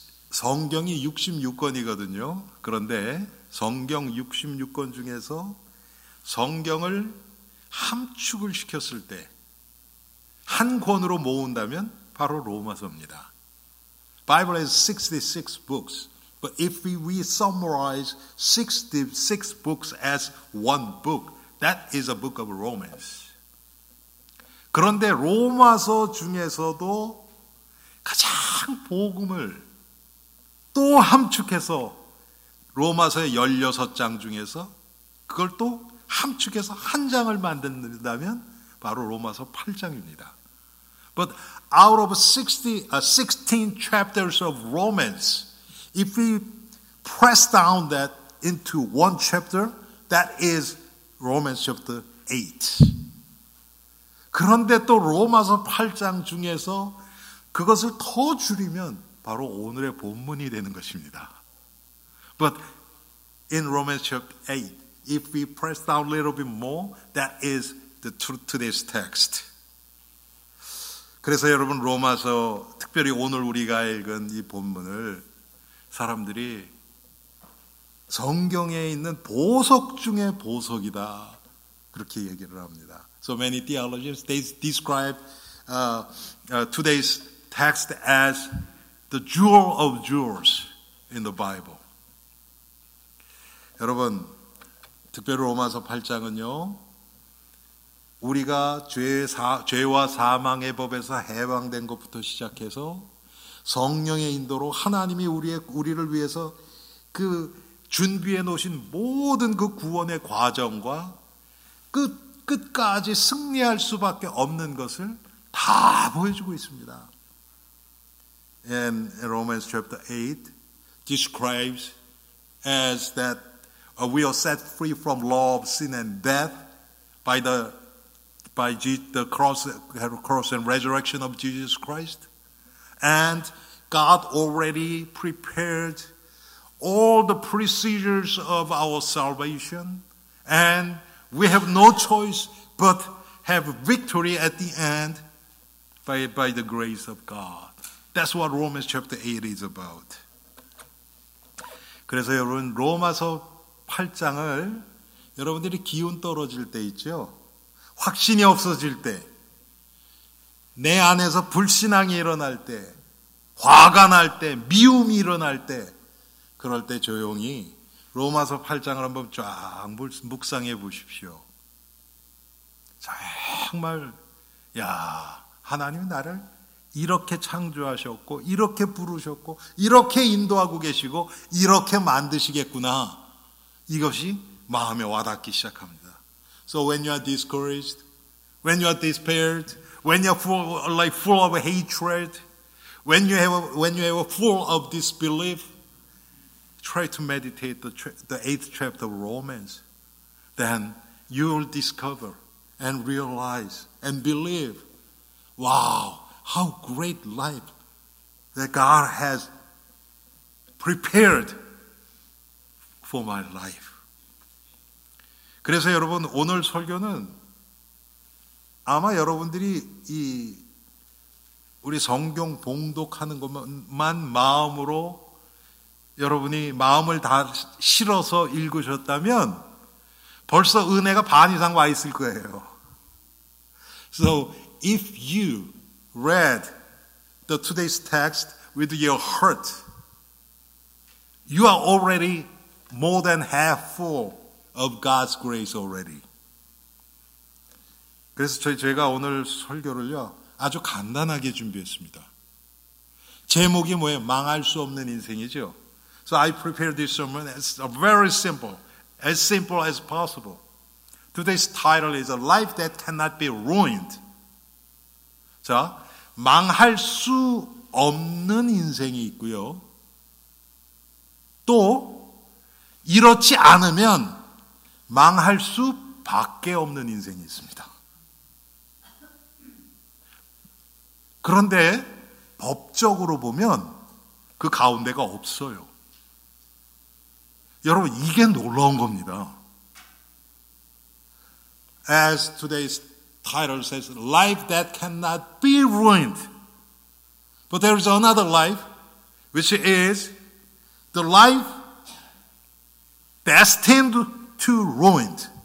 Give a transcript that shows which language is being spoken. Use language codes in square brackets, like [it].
[ko] 성경이 66권이거든요. 그런데 성경 66권 중에서 성경을 함축을 시켰을 때 한 권으로 모은다면 바로 로마서입니다. [en] Bible has 66 books. But if we summarize 66 books as one book, that is a book of Romans. [ko] 그런데 로마서 중에서도 가장 복음을 또 함축해서 로마서의 16장 중에서 그걸 또 함축해서 한 장을 만든다면 바로 로마서 8장입니다. [en] But out of 16 chapters of Romans, if we press down that into one chapter, that is Romans chapter 8. [ko] 그런데 또 로마서 8장 중에서 그것을 더 줄이면 바로 오늘의 본문이 되는 것입니다. [en] But in Romans chapter 8, if we press down a little bit more, that is the truth to this text. [ko] 그래서 여러분 로마서 특별히 오늘 우리가 읽은 이 본문을 사람들이 성경에 있는 보석 중에 보석이다 그렇게 얘기를 합니다. [en] So many theologians they describe today's text as the jewel of jewels in the Bible. [ko] 여러분 특별히 로마서 8장은요. 우리가 죄와 사망의 법에서 해방된 것부터 시작해서 성령의 인도로 하나님이 우리를 위해서 그 준비해 놓으신 모든 그 구원의 과정과 끝까지 승리할 수밖에 없는 것을 다 보여주고 있습니다. [en] And Romans chapter 8 describes as that we are set free from law of sin and death by the cross and resurrection of Jesus Christ. And God already prepared all the procedures of our salvation. And we have no choice but have victory at the end by the grace of God. That's what Romans chapter 8 is about. [ko] 그래서 여러분 로마서 8장을 여러분들이 기운 떨어질 때 있죠? 확신이 없어질 때, 내 안에서 불신앙이 일어날 때, 화가 날 때, 미움이 일어날 때, 그럴 때 조용히 로마서 8장을 한번 쫙 묵상해 보십시오. 정말, 야, 하나님이 나를 이렇게 창조하셨고, 이렇게 부르셨고, 이렇게 인도하고 계시고, 이렇게 만드시겠구나. 이것이 마음에 와닿기 시작합니다. [en] So when you are discouraged, when you are despaired, when you are full of hatred, when you have full of disbelief, try to meditate the eighth chapter of Romans. Then you will discover and realize and believe, wow, how great life that God has prepared for my life. [ko] 그래서 여러분 오늘 설교는 아마 여러분들이 이 우리 성경 봉독하는 것만 마음으로 여러분이 마음을 다 실어서 읽으셨다면 벌써 은혜가 반 이상 와 있을 거예요. [en] So if you read the today's text with your heart, you are already more than half full. Of God's grace already. [ko] 그래서 제가 오늘 설교를요 아주 간단하게 준비했습니다. 제목이 뭐예요? 망할 수 없는 인생이죠. [en] So I prepared this sermon as very simple as possible. Today's title is a life that cannot be ruined. [ko] 자, 망할 수 없는 인생이 있고요. 또 이렇지 않으면 망할 수밖에 없는 인생이 있습니다. 그런데 법적으로 보면 그 가운데가 없어요. 여러분, 이게 놀라운 겁니다. [en] As today's title says, life that cannot be ruined. But there is another life, which is the life destined to ruin.